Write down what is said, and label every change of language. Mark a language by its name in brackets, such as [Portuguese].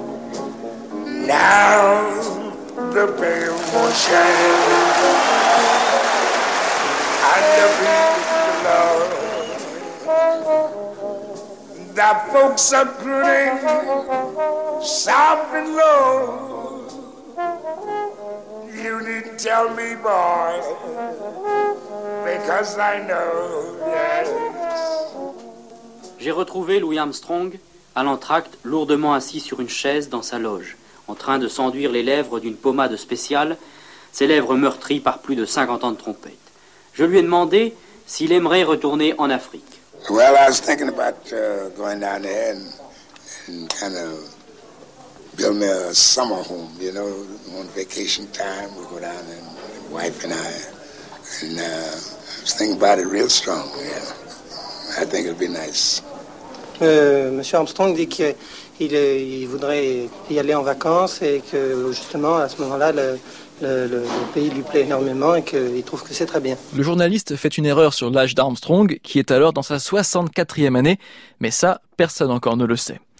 [English] Now the bell will shine and the beat will blow. The folks are grinning, sobbing low. You needn't tell me, boy, because I know, yes. [French] J'ai retrouvé Louis Armstrong à l'entracte, lourdement assis sur une chaise dans sa loge, en train de s'enduire les lèvres d'une pommade spéciale, ses lèvres meurtries par plus de 50 ans de trompette. Je lui ai demandé s'il aimerait retourner en Afrique. [English] Well, I was thinking about going down there and kind of build me a summer home, you know, on vacation time. We go down and my wife and I, and I was thinking about it real strong, yeah. I think it'll be nice. [French] Monsieur Armstrong dit qu'il voudrait y aller en vacances et que justement à ce moment-là le pays lui plaît énormément et qu'il trouve que c'est très bien. Le journaliste fait une erreur sur l'âge d'Armstrong qui est alors dans sa 64e année, mais ça, personne encore ne le sait.